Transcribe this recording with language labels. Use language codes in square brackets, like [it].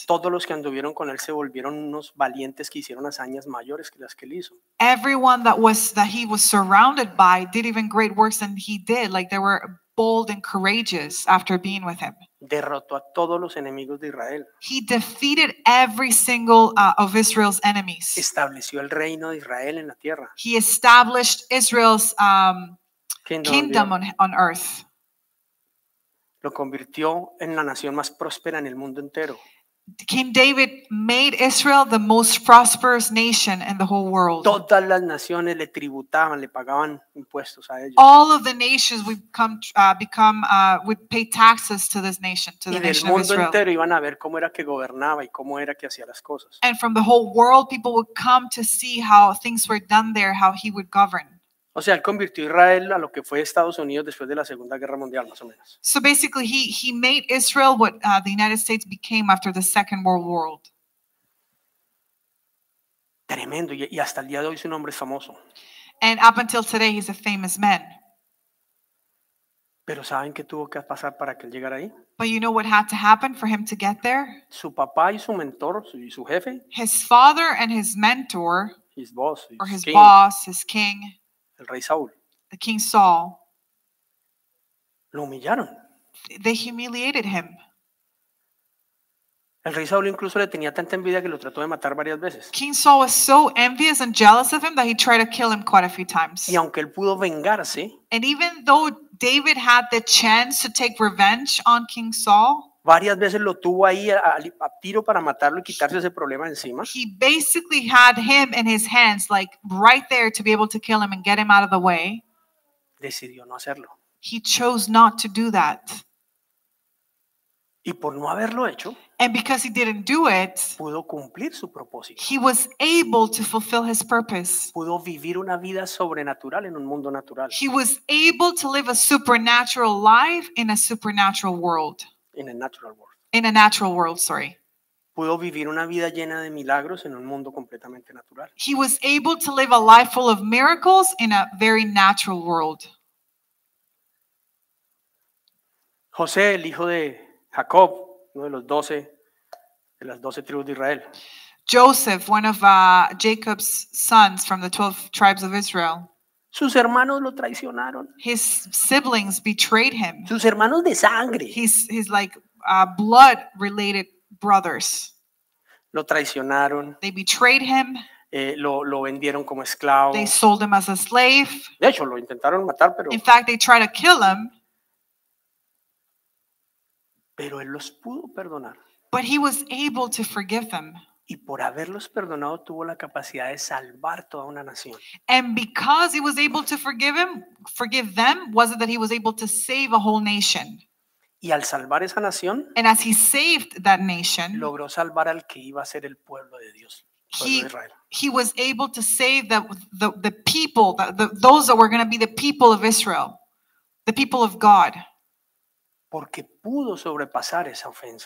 [es] Todos los que anduvieron con él se volvieron unos valientes que hicieron hazañas mayores que las que él hizo. [en] Everyone that he was surrounded by did even great works than he did. Like they were bold and courageous after being with him. [es] Derrotó a todos los enemigos de Israel. [en] He defeated every single of Israel's enemies. [es] Estableció el reino de Israel en la tierra. [en] He established Israel's kingdom on earth. [es] Lo convirtió en la nación más próspera en el mundo entero. [en] King David made Israel the most prosperous nation in the whole world. [es] Todas las naciones le tributaban, le pagaban impuestos a ellos. [en] All of the nations would pay taxes to this nation, to the nation of Israel. [es] Y del mundo entero iban a ver cómo era que gobernaba y cómo era que hacía las cosas. [en] And from the whole world, people would come to see how things were done there, how he would govern. [es] O sea, él convirtió Israel a lo que fue Estados Unidos después de la Segunda Guerra Mundial, más o menos. [en] So basically, he made Israel what the United States became after the Second World War. [es] Tremendo, y hasta el día de hoy su nombre es famoso. [en] And up until today, he's a famous man. [es] Pero ¿saben qué tuvo que pasar para que él llegara ahí? [en] But you know what had to happen for him to get there? [es] Su papá y su mentor, y su jefe. [en] His father and his mentor. His boss. Or his boss, his king. [es] El rey Saúl. [en] The king Saul. [es] Lo humillaron. [en] They humiliated him. [es] El rey Saúl incluso le tenía tanta envidia que lo trató de matar varias veces. [en] King Saul was so envious and jealous of him that he tried to kill him quite a few times. [es] Y aunque él pudo vengarse. [en] And even though David had the chance to take revenge on King Saul. [es] Varias veces lo tuvo ahí a tiro para matarlo y quitarse ese problema encima. [en] He basically had him in his hands, like right there to be able to kill him and get him out of the way. [es] Decidió no hacerlo. [en] He chose not to do that. [es] Y por no haberlo hecho, [en] and because he didn't do it, [es] pudo cumplir su propósito. [en] He was able to fulfill his purpose. [es] Pudo vivir una vida sobrenatural en un mundo natural. [en] He was able to live a supernatural life in a supernatural world. In a natural world. In a natural world, sorry. [es] Pudo vivir una vida llena de milagros en un mundo completamente natural. [en] He was able to live a life full of miracles in a very natural world. [es] José, el hijo de Jacob, uno de los 12, de las 12 tribus de Israel. [en] Joseph, one of Jacob's sons from the 12 tribes of Israel. [es] Sus hermanos lo traicionaron. [en] His siblings betrayed him. [es] Sus hermanos de sangre. [en] His like blood related brothers. [es] Lo traicionaron. [en] They betrayed him. [es] Lo vendieron como esclavo. [en] They sold him as a slave. [es] De hecho, lo intentaron matar, pero. [en] In fact, they tried to kill him. [es] Pero él los pudo perdonar. [en] But he was able to forgive them. [es] Y por haberlos perdonado tuvo la capacidad de salvar toda una nación. [en] And because he was able to forgive them, was it that he was able to save a whole nation? [es] Y al salvar esa nación, [en] and as he saved that nation, [es] logró salvar al que iba a ser el pueblo de Dios, pueblo de Israel. [en] He was able to save the people, those that were going to be the people of Israel, the people of God. [es] Porque pudo sobrepasar esa ofensa.